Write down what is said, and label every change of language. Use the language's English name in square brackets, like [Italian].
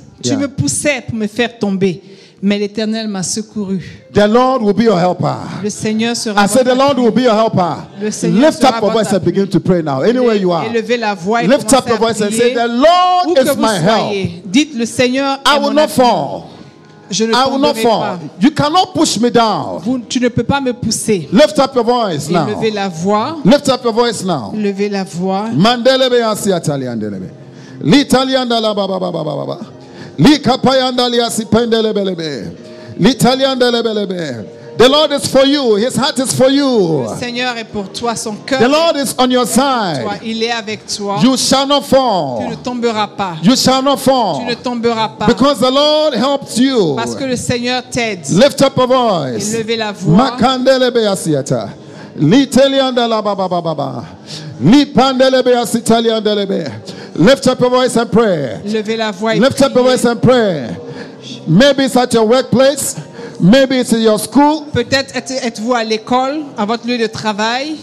[French] Tu me poussais pour me faire tomber, mais l'Éternel m'a secouru. [English] The Lord will be your helper. [French] Le Seigneur sera [English] I said, the Lord will be your helper. [French] Le Seigneur [English] lift [French] sera [English] up your voice and begin to pray now, anywhere you are. [French] Élevez la voix et [English] lift up your voice and say, the Lord is my help. [French] Dites, le Seigneur [English] I will not fall. I will not fall. Pas. You cannot push me down. [French] Tu ne peux pas me pousser. [English] Lift up your voice [French] et [English] now. [French] Levez la voix. [English] Lift up your voice now. [French] Levez la voix. Mandele be asi Italian delebe. L'Italian da la ba ba ba ba ba ba. L'Italian da li asi pendele be lebe. L'Italian delebe lebe. [English] The Lord is for you. His heart is for you. [French] Le Seigneur est pour toi. Son cœur. [English] The Lord is on your side. [French] Toi. Il est avec toi. [English] You shall not fall. [French] Tu ne tomberas pas. [English] You shall not fall. [French] Tu ne tomberas pas. [English] Because the Lord helps you. [French] Parce que le Seigneur t'aide. [English] Lift up a voice. [French] Élevez la voix. Makandele beyasiata. Litelianda la ba ba ba ba ba. Lipandele beyasitalianda lebe. [English] Lift up your voice and pray. [French] Élevez la voix. [English] Lift up your voice and pray. Maybe it's at your workplace. Maybe it's in your school. [French] Peut-être êtes-vous à l'école, à votre lieu de travail.